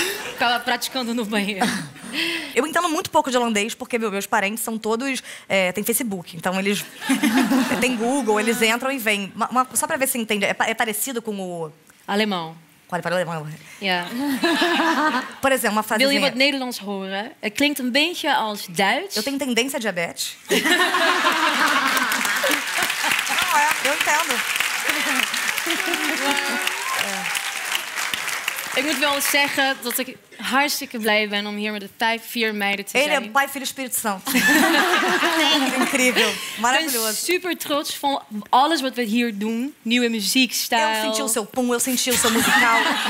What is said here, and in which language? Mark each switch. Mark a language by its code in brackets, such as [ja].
[pt] Ficava praticando no banheiro. Eu entendo muito pouco de holandês, porque meus parentes são todos... têm Facebook, então eles... têm Google, eles entram e vêm. Só pra ver se entende, é parecido com o... Alemão. Qual é para o alemão? [en] Yeah. [pt] Por exemplo, uma frase... [nl] Wil je wat Nederlands horen? Het klinkt een beetje als Duits. [pt] Eu tenho tendência a diabetes. Não, eu entendo. [nl] Ik moet wel zeggen dat ik hartstikke blij ben om hier met de 5-4 meiden te zijn. [pt] Ele é pai, filho, Espírito Santo. Incrível. Maravilhoso. [nl] Ik ben super trots van alles wat we hier doen. Nieuwe muziekstijl. [pt] Eu senti o seu pum, eu senti o seu musical.